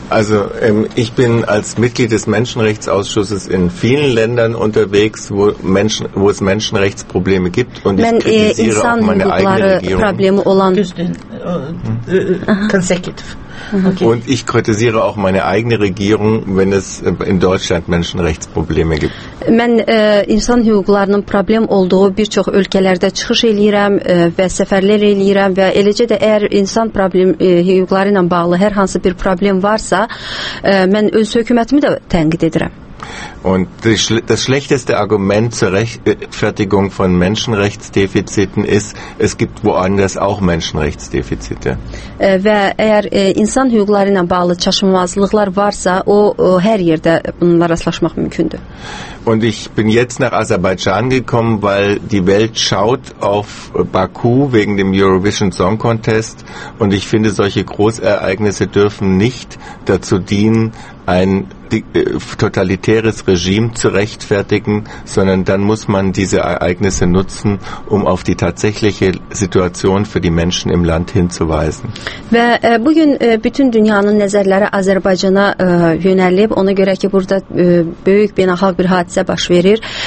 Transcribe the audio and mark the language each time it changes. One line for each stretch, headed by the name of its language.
German: Also ich bin als Mitglied des Menschenrechtsausschusses in vielen Ländern unterwegs, wo Menschen, wo es Menschenrechtsprobleme gibt und ich kritisiere auch meine eigene Regierung.
Azerbaijani: Ben insan hukukları problemi olan
English: consecutive. Okay.
German: Und ich kritisiere auch meine eigene Regierung, wenn es in Deutschland Menschenrechtsprobleme gibt.
Azerbaijani: Mən insan hüquqlarının problem olduğu bir çox ölkələrdə çıxış eləyirəm və səfərlər eləyirəm və eləcə də əgər insan problem hüquqları ilə bağlı hər hansı bir problem varsa, mən öz hökumətimi də tənqid edirəm.
German: Und das schlechteste Argument zur Rechtfertigung von Menschenrechtsdefiziten ist, es gibt woanders auch Menschenrechtsdefizite.
Azerbaijani: Və əgər insan hüquqları ilə bağlı çaşınmazlıqlar varsa, o hər yerdə bununla rastlaşmaq mümkündür.
German: Und ich bin jetzt nach Aserbaidschan gekommen, weil die Welt schaut auf Baku wegen dem Eurovision Song Contest und ich finde, solche Großereignisse dürfen nicht dazu dienen, ein totalitäres Regime zu rechtfertigen, sondern dann muss man diese Ereignisse nutzen, um auf die tatsächliche Situation für die Menschen im Land hinzuweisen.
Azerbaijani: Ve bugün bütün dünyanın nəzərləri Azərbaycana yönəlib, ona görə ki burada böyük beynəlxalq bir hadisə baş verir.